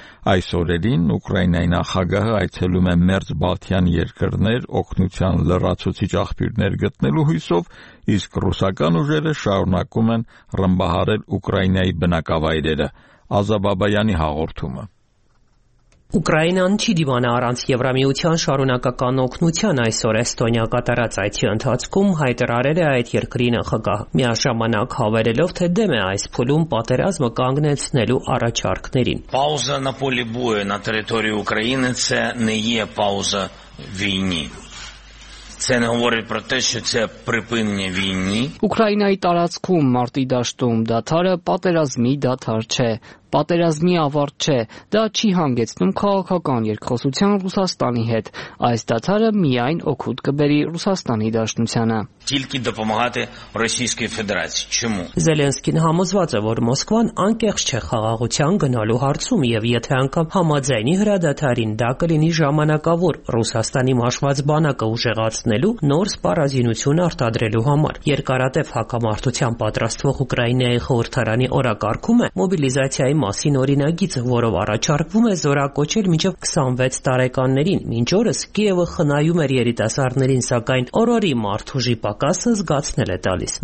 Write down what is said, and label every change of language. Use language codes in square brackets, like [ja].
[hy] Այս օրերին Ուկրաինայի նախագահը այցելում է Մերձբալթյան երկրներ, օգնության լրացուցիչ աղբյուրներ գտնելու հույսով, իսկ ռուսական ուժերը շարունակում են ռմբահարել Ուկրաինայի բնակավայրերը, Ազաբաբայանի հաղորդումը։ Ուկրաինան չի դիմանա առանց Եվրամիության շարունակական օգնության, այսօր Էստոնիա կատարած այցի ընթացքում հայտարարել է այդ երկրի նախագահ, միաժամանակ հավերելով, թե դեմ է այս փուլում պատերազմը կանգնեցնելու առաջարկներին։ [uk] Pauza на полі бою на території України це не є пауза війни. Це не говорить про те, що це припинення війни. [hy] Ուկրաինայի տարածքում մարտի դաշտում դաթարը պատերազմի դաթար չէ։ Պատերազմի ավարտ չէ, դա չի հանգեցնում քաղաքական երկխոսության Ռուսաստանի հետ, այս դաթարը միայն օգուտ կբերի Ռուսաստանի Դաշնությանը։ [uk] Тільки допомагати Російській Федерації. Чому? [hy] Զելենսկին համոզված է, որ Մոսկվան անկեղծ չէ խաղաղության գնալու հարցում, եւ եթե անգամ համաձայնի հրադադարին, դա կլինի ժամանակավոր Ռուսաստանի մաշված բանակը ուժեղացնելու, նոր սպառազինություն արտադրելու համար։ Երկարատև հակամարտության պատրաստվող Ուկրաինայի խորհրդարանի օրակարգում է մոբիլիզացիայի մասին օրինագիծ, որով առաջարկվում է զորակոչել մինչև 26 տարեկաններին, մինչ օրս Կիևը խնայում էր երիտասարդներին, սակայն օրորի մարդուժի պակասը զգացնել է տալիս։